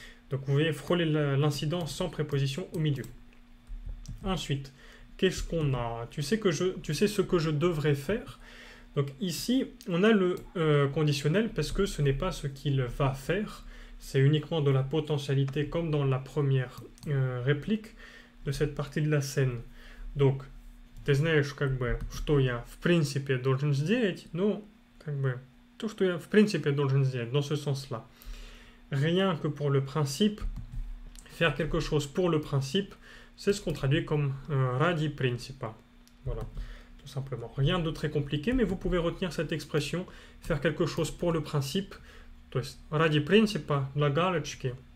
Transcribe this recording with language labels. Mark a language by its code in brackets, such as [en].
[fr] Donc vous voyez, frôler l'incident sans préposition au milieu. Ensuite, qu'est-ce qu'on a? Tu sais ce que je devrais faire? Donc ici, on a le conditionnel parce que ce n'est pas ce qu'il va faire. C'est uniquement de la potentialité comme dans la première réplique de cette partie de la scène. [ru] Donc, ты знаешь, как бы, что я в принципе должен сделать? Ну, как бы, то, что я в принципе должен сделать, [fr] dans ce sens-là. Rien que pour le principe, faire quelque chose pour le principe, c'est ce qu'on traduit comme [ru] ради принципа. [fr] Voilà, tout simplement. Rien de très compliqué, mais vous pouvez retenir cette expression, faire quelque chose pour le principe, [ru] то есть ради принципа, для галочки.